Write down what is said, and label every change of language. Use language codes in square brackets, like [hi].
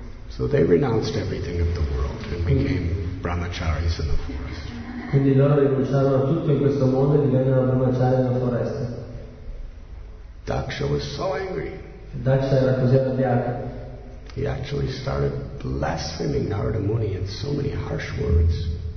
[en] So they renounced everything of the world and became brahmacharis in the forest. [it] Quindi loro rinunciarono a tutto in questo mondo e divennero brahmacari nella foresta. [en] Daksha was so angry. [it] Daksha era così arrabbiato. [en] He actually started blaspheming Narada Muni in so many harsh words.